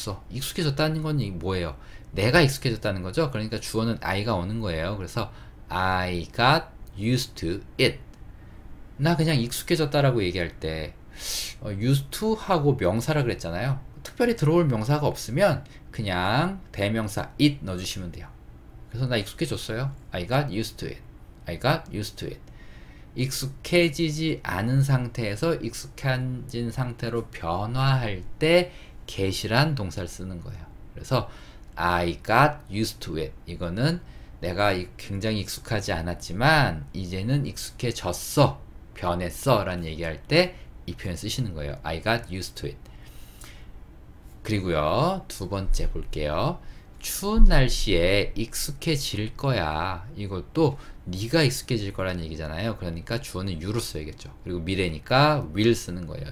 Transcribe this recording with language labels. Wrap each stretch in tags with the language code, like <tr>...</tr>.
<ko>익숙해졌다는 건 뭐예요? 내가 익숙해졌다는 거죠. 그러니까 주어는 I가 오는 거예요.</ko> <en>그래서 I got used to it.</en> <ko>나 그냥 익숙해졌다라고 얘기할 때 used to 하고 명사라 그랬잖아요. 특별히 들어올 명사가 없으면 그냥 대명사 it 넣어주시면 돼요. 그래서 나 익숙해졌어요.</ko> <en>I got used to it.</en> <ko>익숙해지지 않은 상태에서 익숙해진 상태로 변화할 때 get이란 동사를 쓰는 거예요.</ko> <en>그래서 I got used to it.</en> <ko>이거는 내가 굉장히 익숙하지 않았지만 이제는 익숙해졌어, 변했어 라는 얘기할 때 이 표현 쓰시는 거예요.</ko> <en>I got used to it.</en> <ko>그리고요, 두 번째 볼게요. 추운 날씨에 익숙해질 거야. 이것도 네가 익숙해질 거란 얘기잖아요. 그러니까 주어는 you로 써야겠죠. 그리고 미래니까 will 쓰는 거예요.</ko>